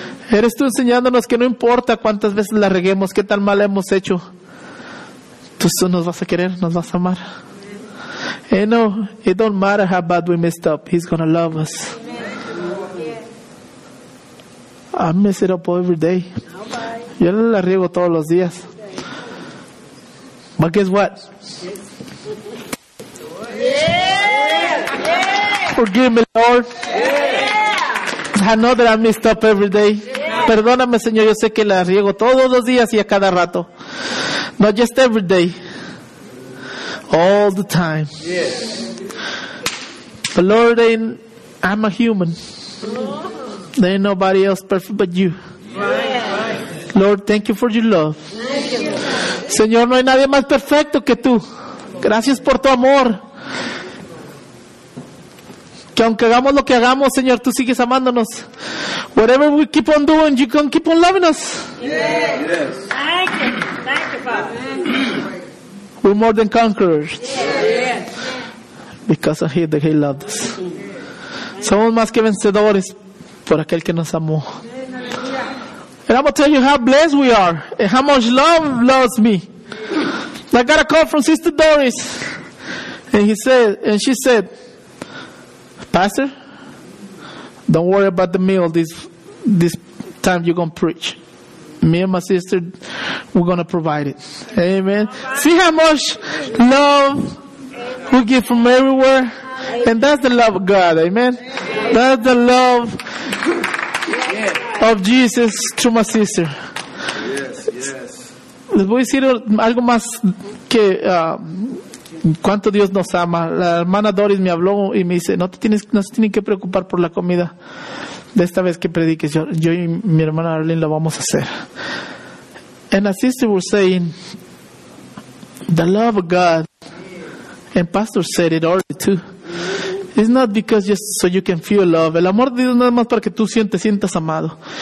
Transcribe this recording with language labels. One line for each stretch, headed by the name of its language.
Spanish: Eres tú enseñándonos que no importa cuántas veces la reguemos, qué tan mal hemos hecho, tú nos vas a querer, nos vas a amar.
English: Amen. And no, it don't matter how bad we messed up, he's going to love us. Amen. I mess it up every day.
Spanish: Yo la riego todos los días.
English: But guess what? Forgive me, Lord. Yeah. I know that I messed up every day. Yeah.
Spanish: Perdóname, Señor. Yo sé que la riego todos los días y a cada rato.
English: Not just every day. All the time. Yeah. But Lord, I'm a human. Oh. There ain't nobody else perfect but you. Yeah. Lord, thank you for your love.
Spanish: Señor, no hay nadie más perfecto que tú. Gracias por tu amor. Que aunque hagamos lo que hagamos, Señor, tú sigues amándonos.
English: Whatever we keep on doing, you can keep on loving us. Yes. Thank you. Thank you, Father. We're more than conquerors. Yes. Because of him that he loved us.
Spanish: Somos más que vencedores por aquel que nos amó.
English: And I'm going to tell you how blessed we are and how much love loves me. I got a call from Sister Doris. And she said, Pastor, don't worry about the meal this time you're going to preach. Me and my sister, we're going to provide it. Amen. See how much love we get from everywhere? And that's the love of God. Amen. That's the love of Jesus through my sister.
Spanish: Les voy a decir algo más que cuánto Dios nos ama. La hermana Doris me habló y me dice, no se tienen que preocupar por la comida de esta vez que prediques. Yo y mi hermana Arlene lo vamos a hacer.
English: And my sister was saying, the love of God, and Pastor said it already too, it's not because just so you can feel love.
Spanish: El amor de Dios no es más para que tú sientas amado.